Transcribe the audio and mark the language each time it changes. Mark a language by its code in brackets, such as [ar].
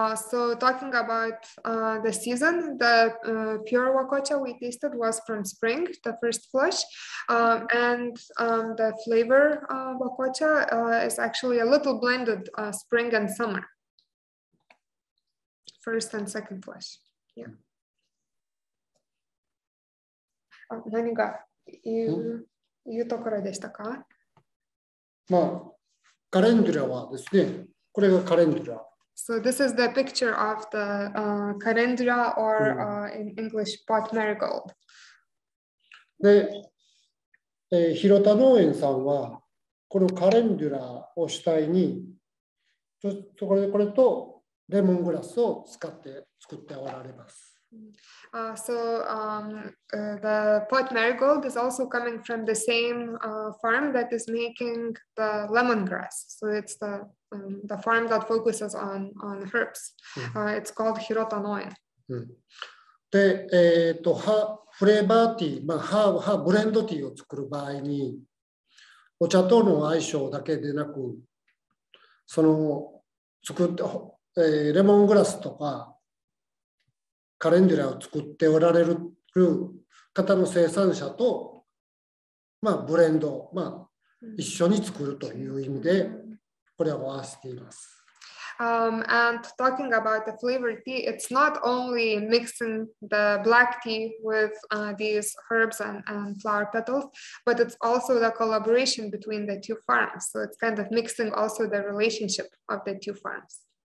[en] So talking about the season, the pure wakocha we tasted was from spring, the first flush, and the flavor wakocha is actually a little blended spring and summer, first and second flush. Yeah. [ja] 何が言うところでしたか？まあ、カレンデュラはですね、これがカレンデュラ。 [en] So this is the picture of the calendula or in English pot marigold. [ja] で、広田農園さんはこのカレンデュラを主体にちょっとこれとレモングラスを使って作っておられます。 [en] The pot marigold is also coming from the same farm that is making the lemongrass. So it's the farm that focuses on herbs. It's called Hirota Noen. [ja] で、フレーバーティー、まあ、ハーブレンドティーを作る場合に、お茶との相性だけでなく、その作って、レモングラスとか、カレンデュラを作っておられる方の生産者と、まあ、ブレンド、まあ、一緒に作るという意味でこれを合わせています。 [en] And talking about the flavored tea, it's not only mixing the black tea with these herbs and flower petals, but it's also the collaboration between the two farms. So it's kind of mixing also the relationship of the two farms.